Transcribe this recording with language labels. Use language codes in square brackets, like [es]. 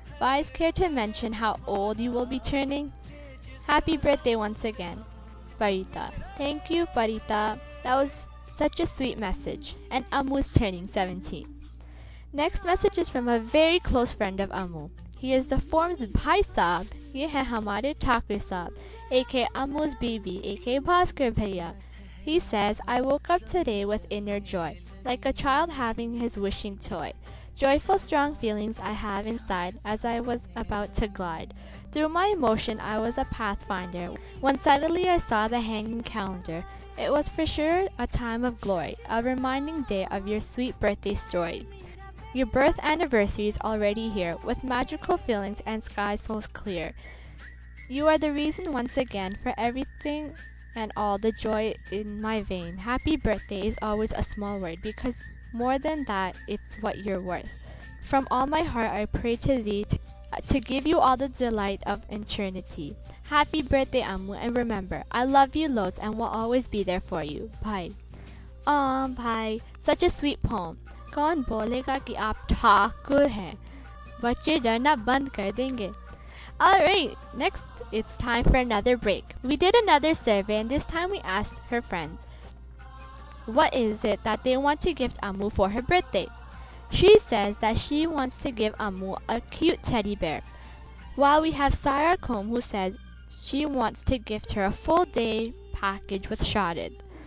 [en] Bais care to mention how old you will be turning? Happy birthday once again, Barita. Thank you, Barita. That was such a sweet message. And Amu's turning 17. Next message is from a very close friend of Amu. He is the form's [hi] भाई साब, ये है हमारे ठाकुर साब, [en] aka Amu's baby, aka Bhaskar भैया. He says, I woke up today with inner joy, like a child having his wishing toy. Joyful strong feelings I have inside as I was about to glide. Through my emotion I was a pathfinder, when suddenly I saw the hanging calendar. It was for sure a time of glory, a reminding day of your sweet birthday story. Your birth anniversary is already here, with magical feelings and sky so clear. You are the reason once again for everything and all the joy in my vein. Happy birthday is always a small word, because more than that, it's what you're worth. From all my heart, I pray to thee to give you all the delight of eternity. Happy birthday, Amu, and remember, I love you loads and will always be there for you. Bye. Aw, bye. Such a sweet poem. [hi] कौन बोलेगा कि आप ठाकुर हैं? बच्चे डरना बंद कर देंगे. [en] Alright, next, it's time for another break. We did another survey, and this time we asked her friends what is it that they want to gift Amu for her birthday. She says that she wants to give Amu a cute teddy bear, while we have Sarah Combe, who says she wants to gift her a full day package with Shahid.